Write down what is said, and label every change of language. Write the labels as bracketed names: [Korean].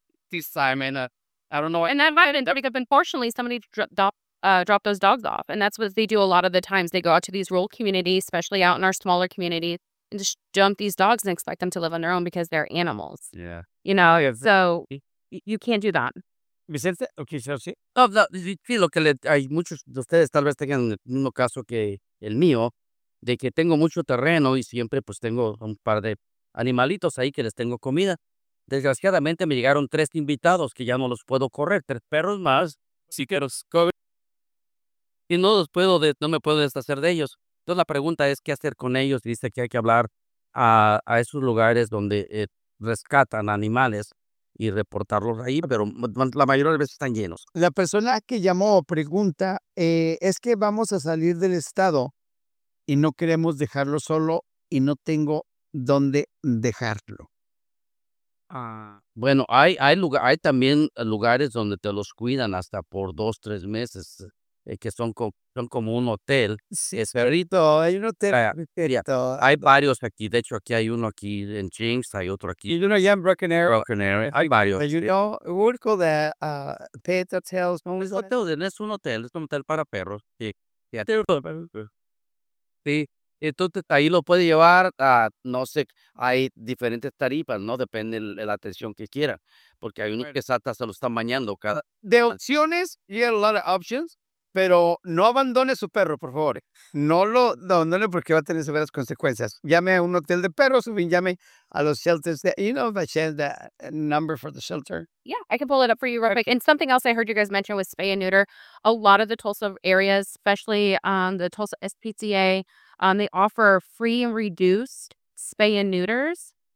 [English] This time in a... I don't know. And that might have been because, unfortunately, somebody dropped those dogs off. And that's what they do a lot of the times. They go out to these rural communities, especially out in our smaller communities, and just dump these dogs and expect them to live on their own because they're animals. Yeah. You know, yeah. So you can't do that. Vicente, okay, so [Spanish] sí. Sí, lo que hay muchos de ustedes tal vez tengan el mismo caso que el mío, de que tengo mucho terreno y siempre pues tengo un par de animalitos ahí que les tengo comida. Desgraciadamente me llegaron 3 invitados que ya no los puedo correr, 3 perros más. Sí, que los cobre. Y no los puedo, no me puedo deshacer de ellos. Entonces la pregunta es, ¿qué hacer con ellos? Dice que hay que hablar a esos lugares donde rescatan animales y reportarlos ahí, pero la mayoría de las veces están llenos. La persona que llamó pregunta, es que vamos a salir del estado y no queremos dejarlo solo y no tengo dónde dejarlo. Bueno, hay también lugares donde te los cuidan hasta por 2-3 meses, que son como un hotel. Sí, perrito, hay un hotel. Hay varios aquí. De hecho, aquí hay uno aquí en Jinx, hay otro aquí. [English] You know, yeah, in Broken Arrow. [Spanish] Broken Arrow, hay varios. [English] But you know, we'll call that pet hotels. [Spanish] Es, hotel, es un hotel, para perros. Sí, sí. Entonces, ahí lo puede llevar a, no sé, hay diferentes tarifas, ¿no? Depende de la atención que quiera. Porque hay uno que hasta se lo está bañando cada... De opciones, [English] you have a lot of options, [Spanish] pero no abandone su perro, por favor. No lo abandone porque va a tener severas consecuencias. Llame a un hotel de perros o llame a los shelters. [English] That, you know, if I share the number for the shelter. Yeah, I can pull it up for you real quick. And something else I heard you guys mention was spay and neuter. A lot of the Tulsa areas, especially the Tulsa SPCA, they offer free and reduced spay and neuters.